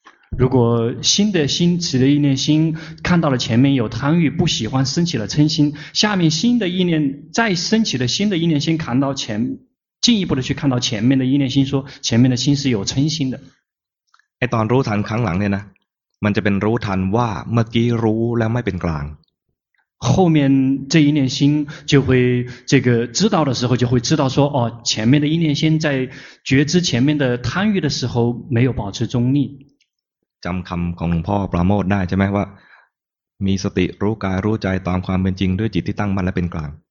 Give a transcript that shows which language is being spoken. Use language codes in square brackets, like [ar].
[zh] 如果新的心起的一念心看到了前面有贪欲不喜欢升起了嗔心下面新的一念再升起的新的一念心看到前进一步的去看到前面的一念心说前面的心是有嗔心的 [th] ไอ้ตอนรู้ทันครั้งหลังเนี่ยนะมันจะเป็นรู้ทันว่าเมื่อกี้รู้แล้วไม่เป็นกลาง [zh] 后面这一念心就会这个知道的时候就会知道说哦前面的一念心在觉知前面的贪欲的时候没有保持中立 [th] จำคำของหลวงพ่อปราโมทได้ใช่ไหมว่ามีสติรู้กายรู้ใจตามความเป็นจริงด้วยจิตที่ตั้งมั่นและเป็นกลาง